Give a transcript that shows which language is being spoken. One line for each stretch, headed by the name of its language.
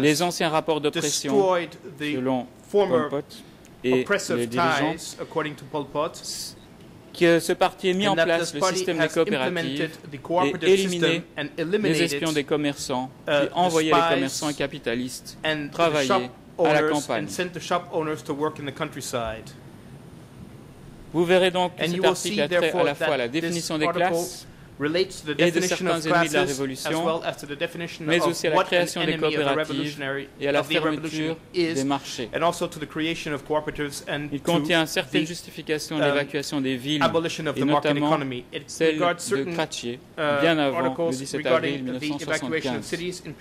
French: les anciens rapports d'oppression selon Pol Pot et les dirigeants, Pol Pot, que ce parti ait mis en place le système des coopératives et éliminé les espions des commerçants qui envoyaient les commerçants et capitalistes travailler à la campagne.
English: And sent the shop owners to work in the countryside.
French: Vous verrez donc que cet article a trait à la fois à la définition des classes et de certains ennemis de la Révolution, mais aussi à la création des coopératives et à la fermeture des marchés. Il contient certaines justifications de l'évacuation des villes, et notamment celle de Kratié, bien avant le 17 avril 1975.